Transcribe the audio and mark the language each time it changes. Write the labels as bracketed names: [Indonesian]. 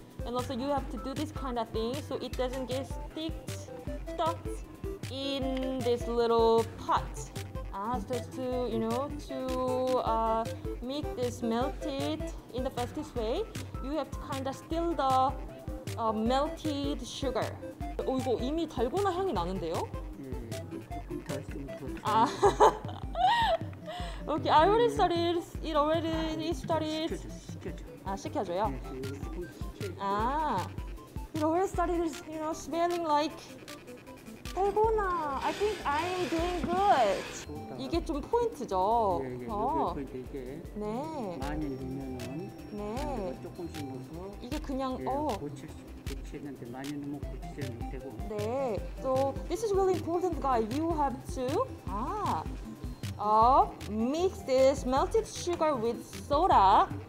[English] And also you have to do this kind of thing so it doesn't get stuck in this little pot. Just to make this melted in the fastest way, you have to kind of steal the melted sugar. [Korean] 오, 이거 이미 달고나 향이 나는데요? 네, [English] 오케이, okay, I already started it already. It started. [Korean] 시켜줘요. [English] 아, it already started, you know, smelling like 달고나. I think I'm doing good. [Korean] 이게 좀 포인트죠. 네, 포인트 이게. 네. 많이 넣으면은. 네. 조금씩 넣어서. 이게 그냥 어. 고치는데 많이 넣으면 고치지는 못되고. [English] 네. So this is really important, guys. You have to mix this melted sugar with soda.